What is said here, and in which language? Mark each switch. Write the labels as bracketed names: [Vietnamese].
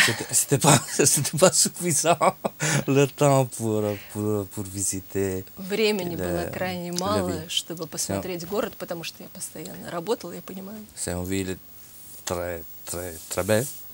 [French] C'était pas suffisant le temps pour visiter. [Russian] Времени было крайне мало, чтобы посмотреть город, потому что я постоянно работала, я понимаю. [French] C'est une ville très très très belle.